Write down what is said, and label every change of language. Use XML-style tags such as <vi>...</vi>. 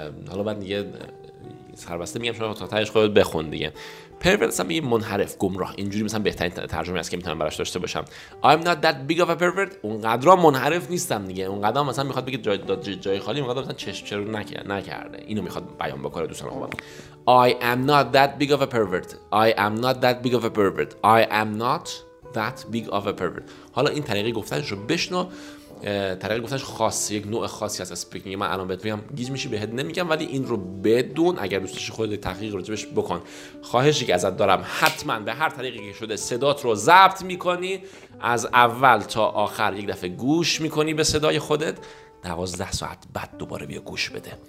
<fa>حالا بعد دیگه سربسته میگم شما تا تهش خودت بخون دیگه. pervert مثلا یه منحرف, گمراه, اینجوری مثلا بهترین ترجمه است که میتونم براش داشته باشم.</fa> <en>I'm not that big of a pervert.</en> <fa>اونقدرا منحرف نیستم دیگه. اونقدرا مثلا میخواد بگه جای خالی, اونقدرا مثلا چشم چرو نکرده, اینو میخواد بیان بکنه دوستان خوبم.</fa> <en>I am not that big of a pervert. I am not that big of a pervert. I am not that big of a pervert.</en> <fa>حالا این طریقه گفتنش رو بشنو. طریقه گفتنش خاص, یک نوع خاصی از اسپیکینگ. من الان بهت میگم, گیج میشی بهت نمیگم, ولی این رو بدون اگر دوست داشتی خودت تحقیق راجبش بکن. خواهشی که ازت دارم حتما به هر طریقی که شده صدات رو ضبط میکنی, از اول تا آخر یک دفعه گوش میکنی به صدای خودت, 12 ساعت بعد دوباره بیا گوش بده.</fa>